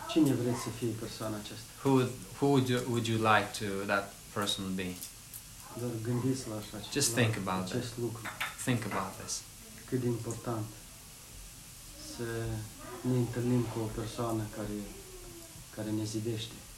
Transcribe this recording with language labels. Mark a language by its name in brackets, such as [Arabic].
[Romanian] Cine vreți să fie persoana aceasta? [English] Who would you like to that person would be? [Romanian] Doar gândiți la așa. [English] Just think about it. [Romanian] Lucru. [English] Think about this. [Romanian] Cât de important să ne întâlnim cu o persoană care ne zidește.